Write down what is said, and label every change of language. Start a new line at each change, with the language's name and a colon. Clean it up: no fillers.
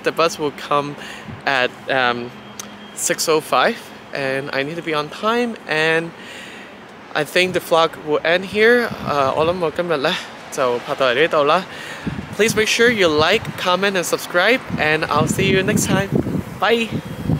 English: The bus will come at 6:05, and I need to be on time. And I think the vlog will end here.
Cantonese: 我谂我今日咧就拍到嚟呢度啦。
English: Please make sure you like, comment, and subscribe, and I'll see you next time. Bye!